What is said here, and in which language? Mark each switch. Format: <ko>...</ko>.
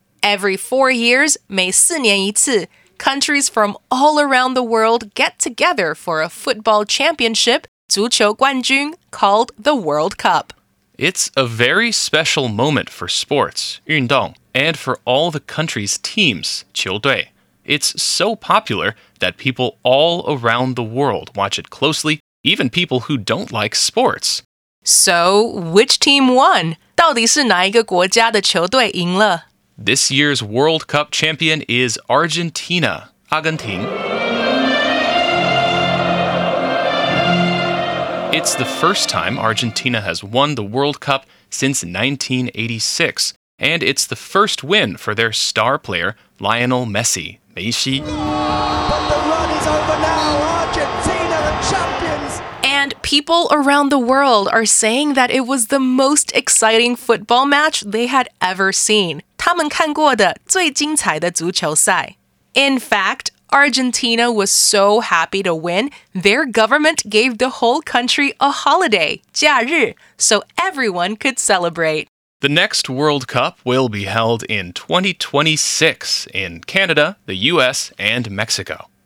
<en>Every 4 years,</en> <zh>每四年一次,</zh> <en>countries from all around the world get together for a football championship,</en> <zh>足球冠军,</zh> <en>called the World Cup. It's a very special moment for sports,</en> <zh>运动,</zh> <en>and for all the country's teams,</en> <zh>球队.</zh> <en>It's so popular that people all around the world watch it closely, even people who don't like sports. So, which team won?</en> <zh>到底是哪一个国家的球队赢了?</zh> <en>This year's World Cup champion is Argentina, 阿根廷。 It's the first time Argentina has won the World Cup since 1986, and it's the first win for their star player, Lionel Messi. Messi. But the run is over now! Argentina, the champions! And people around the world are saying that it was the most exciting football match they had ever seen.</en> <zh>他们看过的最精彩的足球赛。</zh> <en>In fact,Argentina was so happy to win, their government gave the whole country a holiday,</en> <zh>假日,</zh> <en>so everyone could celebrate. The next World Cup will be held in 2026 in Canada, the US, and Mexico.</en>